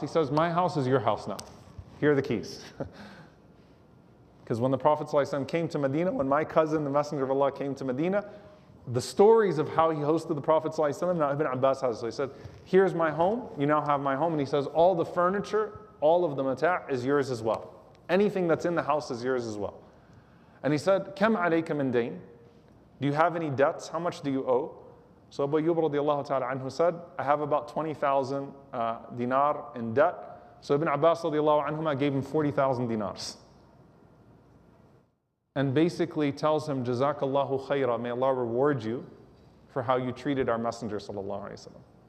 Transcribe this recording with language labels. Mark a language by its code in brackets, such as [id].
[en] He says, my house is your house now. Here are the keys. Because when the Prophet ﷺ came to Medina, when my cousin, the Messenger of Allah, came to Medina, the stories of how he hosted the Prophet ﷺ, now Ibn Abbas has it. So he said, here's my home, you now have my home. And he says, all the furniture, all of the mata' is yours as well. Anything that's in the house is yours as well. And he said, [ar] كَمْ عَلَيْكَ مِنْ دَيْنِ. [en] Do you have any debts? How much do you owe? So Abu Ayyub radiallahu ta'ala anhu said, I have about 20,000 dinar in debt. So Ibn Abbas radiallahu anhu gave him 40,000 dinars. And basically tells him, Jazakallahu khayra, may Allah reward you for how you treated our Messenger sallallahu alayhi wa sallam.